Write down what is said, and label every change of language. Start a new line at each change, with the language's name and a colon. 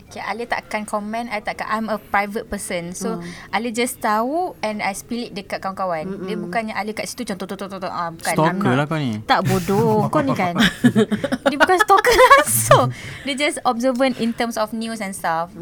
English: Okay,
Malay: Alia takkan
English: comment, I takkan, I'm a private person. So Alia just tahu and I spill it
Malay: dekat kawan-kawan. Dia bukannya Alia kat situ contoh bukan. Stalker lah kau ni. Tak, bodoh. Kau ni kan. Dia bukan stalker langsung. Dia
English: just observant in terms of news and stuff.